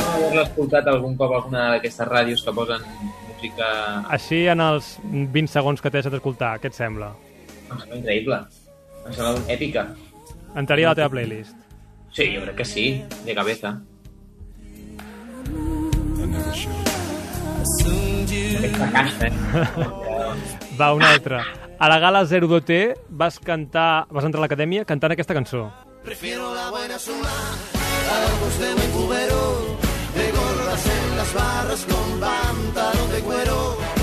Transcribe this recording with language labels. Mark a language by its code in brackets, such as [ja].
[ca] Has escoltat algun cop alguna d'aquestes ràdios que posen música... Així, en els 20 segons que t'has d'escoltar, què et sembla? Em sembla increïble. Em sembla èpica. Entraria a la teva playlist? Sí, jo crec que sí, [es] de cabeza. [ca] Va, una altra. A la gala 02T vas cantar, vas entrar a l'acadèmia cantant aquesta cançó. [es] Prefiero la buena suma a los de mi cubero. De gorras en las barras con pantalón de cuero.